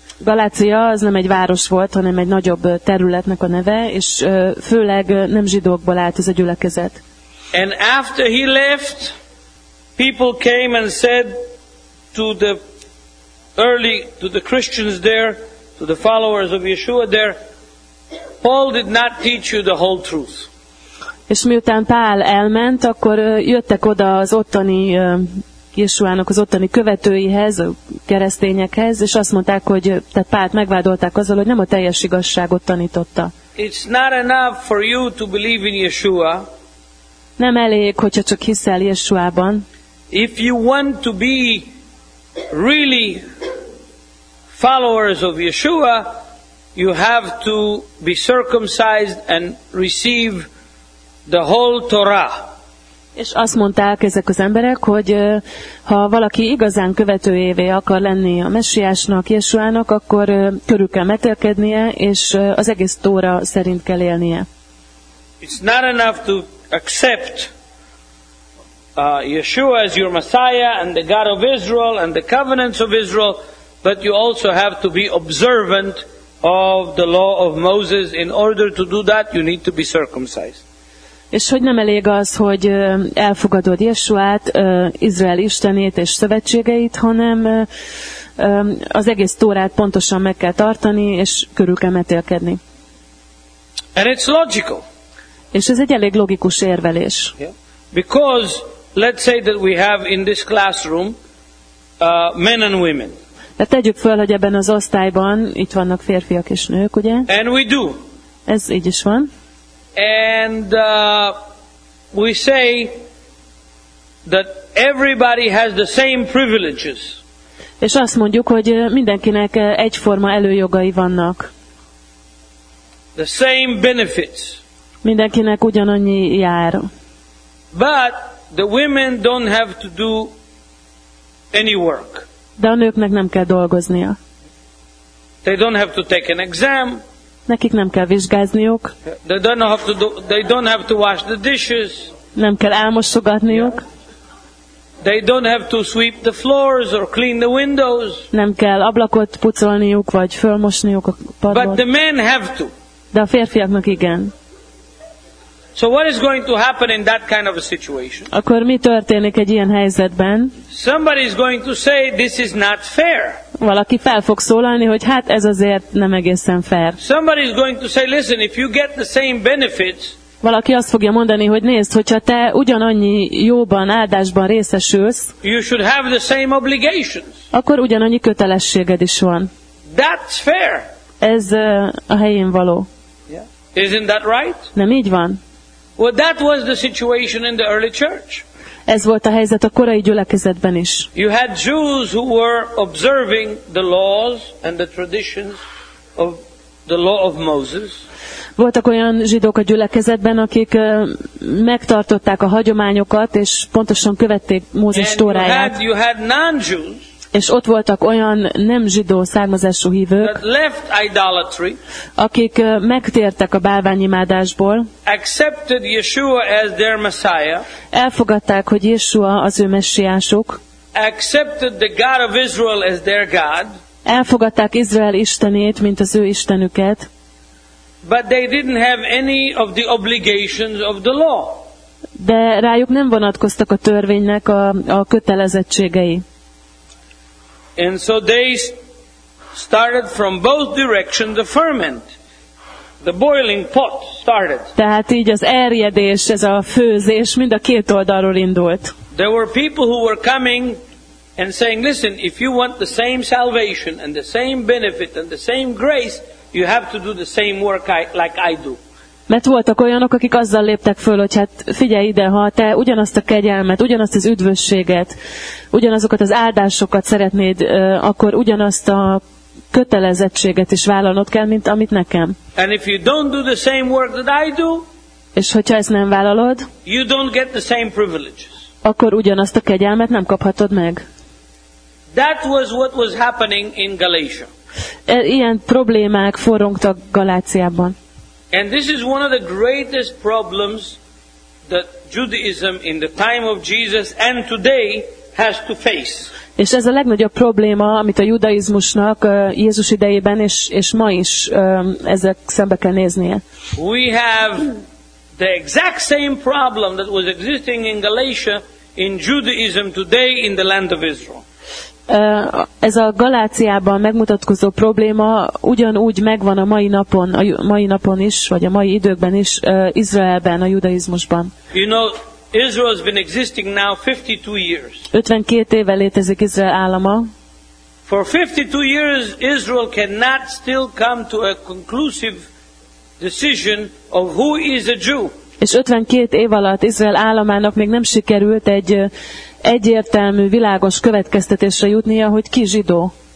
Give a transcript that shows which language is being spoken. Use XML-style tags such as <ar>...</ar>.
<hu>Galácia az nem egy város volt, hanem egy nagyobb területnek a neve, és főleg nem zsidókból állt ez a gyülekezet.</hu> <en>And after he left, people came and said to the Christians there, to the followers of Yeshua there, Paul did not teach you the whole truth.</en> <hu>És miután Pál elment, akkor jöttek oda az ottani Jézusának az ottani követőihez, a keresztényekhez, és azt mondták, hogy tehát Pált megvádolták azzal, hogy nem a teljes igazságot tanította.</hu> <en>It's not enough for you to believe in Yeshua.</en> <hu>Nem elég, hogyha csak hiszel Jézusban.</hu> <en>If you want to be really followers of Yeshua, you have to be circumcised and receive the whole Torah.</en> <hu>És azt mondták ezek az emberek, hogy ha valaki igazán követőjévé akar lenni a Messiásnak, Jeshuának, akkor körül kell metelkednie, és az egész Tóra szerint kell élnie.</hu> <en>It's not enough to accept Yeshua as your Messiah and the God of Israel and the covenants of Israel, but you also have to be observant of the law of Moses. In order to do that, you need to be circumcised.</en> <hu>És hogy nem elég az, hogy elfogadod Jeshuát, Izrael Istenét és szövetségeit, hanem az egész Tórát pontosan meg kell tartani, és körül kell metélkedni.</hu> <en>And it's logical.</en> <hu>És ez egy elég logikus érvelés.</hu> <en>Yeah. Because let's say that we have in this classroom men and women.</en> <hu>De tegyük föl, hogy ebben az osztályban itt vannak férfiak és nők, ugye?</hu> <en>And we do.</en> <hu>Ez így is van.</hu> <en>And we say that everybody has the same privileges.</en> <hu>És azt mondjuk, hogy mindenkinek egyforma előjogai vannak.</hu> <en>The same benefits.</en> <hu>Mindenkinek ugyanannyi jár.</hu> <en>But the women don't have to do any work.</en> <hu>De a nőknek nem kell dolgoznia.</hu> <en>They don't have to take an exam.</en> <hu>Nekik nem kell vizsgázniuk.</hu> <en>They don't have to wash the dishes.</en> <hu>Nem kell elmosogatniuk.</hu> <en>Yeah. They don't have to sweep the floors or clean the windows.</en> <hu>Nem kell ablakot pucolniuk vagy fölmosniuk a padlót.</hu> <en>But the men have to.</en> <hu>De a férfiaknak igen.</hu> <en>So what is going to happen in that kind of a situation?</en> <hu>Akkor mi történik egy ilyen helyzetben?</hu> <en>Somebody is going to say this is not fair.</en> <hu>Valaki fel fog szólalni, hogy hát ez azért nem egészen fair.</hu> <en>Somebody is going to say, listen, if you get the same benefits.</en> <hu>Valaki azt fogja mondani, hogy nézd, hogyha te ugyanannyi jóban, áldásban részesülsz,</hu> <en>you should have the same obligations.</en> <hu>Akkor ugyanannyi kötelességed is van.</hu> <en>That's fair.</en> <hu>Ez a helyén való.</hu> <en>Yeah. Isn't that right?</en> <hu>Nem így van.</hu> <en>Well, that was the situation in the early church.</en> <hu>Ez volt a helyzet a korai gyülekezetben is.</hu> <en>You had Jews who were observing the laws and the traditions of the law of Moses.</en> <hu>Voltak olyan zsidók a gyülekezetben, akik megtartották a hagyományokat és pontosan követték Mózes Tóráját.</hu> <en>And you had non-Jews.</en> <hu>És ott voltak olyan nem zsidó származású hívők,</hu> <en>that left idolatry,</en> <hu>akik megtértek a bálványimádásból,</hu> <en>accepted Yeshua as their Messiah,</en> <hu>elfogadták, hogy Yeshua az ő messiásuk,</hu> <en>accepted the God of Israel as their God,</en> <hu>elfogadták Izrael Istenét, mint az ő Istenüket,</hu> <en>but they didn't have any of the obligations of the law.</en> <hu>De rájuk nem vonatkoztak a törvénynek a kötelezettségei.</hu> <en>And so they started from both directions, the ferment, the boiling pot started.</en> <hu>Tehát így az erjedés, ez a főzés mind a két oldalról indult.</hu> <en>There were people who were coming and saying, listen, if you want the same salvation and the same benefit and the same grace, you have to do the same work like I do.</en> <hu>Mert voltak olyanok, akik azzal léptek föl, hogy hát figyelj ide, ha te ugyanazt a kegyelmet, ugyanazt az üdvösséget, ugyanazokat az áldásokat szeretnéd, akkor ugyanazt a kötelezettséget is vállalnod kell, mint amit nekem.</hu> <en>And if you don't do the same work that I do,</en> <hu>és hogyha ezt nem vállalod,</hu> <en>you don't get the same privileges.</en> <hu>Akkor ugyanazt a kegyelmet nem kaphatod meg.</hu> <en>That was what was happening in Galatia.</en> <hu>Ilyen problémák forrongtak Galáciában.</hu> <en>And this is one of the greatest problems that Judaism in the time of Jesus and today has to face.</en> <hu>És ez a legnagyobb probléma, amit a judaizmusnak Jézus idejében és ma is ezzel szembe kell néznie.</hu> <en>We have the exact same problem that was existing in Galatia in Judaism today in the land of Israel.</en> <hu>Ez a Galáciában megmutatkozó probléma ugyanúgy megvan a mai napon is, vagy a mai időkben is Izraelben, a judaizmusban.</hu> <en>You know, Israel has been existing now 52 years.</en> <hu>52 éve létezik Izrael állama.</hu> <en>For 52 years Israel cannot still come to a conclusive decision of who is a Jew.</en> <hu>És 52 év alatt Izrael államának még nem sikerült egy egyértelmű, világos következtetésre jutnia, hogy ki zsidó.</hu>